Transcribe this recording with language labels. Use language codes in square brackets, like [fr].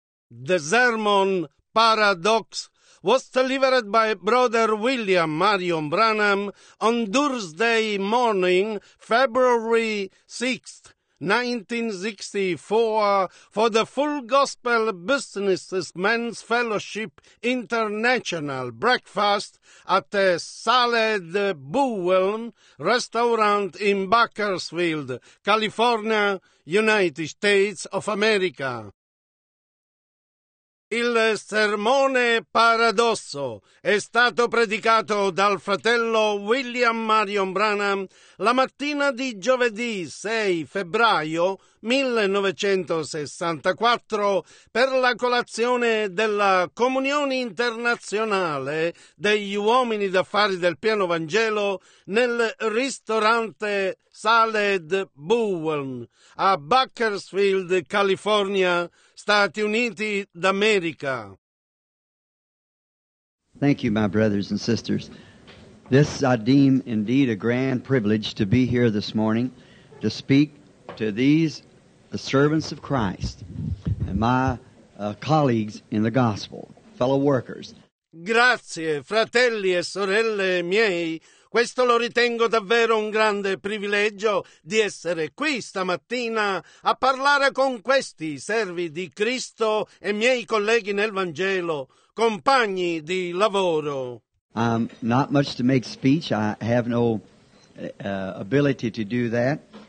[en] The Sermon Paradox was delivered by Brother William Marion Branham on Thursday morning, February 6, 1964, for the Full Gospel Businessmen's Fellowship International Breakfast at the Salle de Buwelm restaurant in Bakersfield, California, United States of America. [it] Il sermone paradosso è stato predicato dal fratello William Marion Branham la mattina di giovedì 6 febbraio 1964 per la colazione della Comunione Internazionale degli Uomini d'Affari del Piano Vangelo nel ristorante Salle de Buwelm a Bakersfield, California, Stati Uniti d'America. [en] Thank you, my brothers and sisters. This I deem indeed a grand privilege to be here this morning to speak to these the servants of Christ and my colleagues in the gospel, fellow workers. [it] Grazie, fratelli e sorelle miei. Questo lo ritengo davvero un grande privilegio di essere qui stamattina a parlare con questi servi di Cristo e miei colleghi nel Vangelo, compagni di lavoro. [en] Not much to make speech. I have no ability to do that.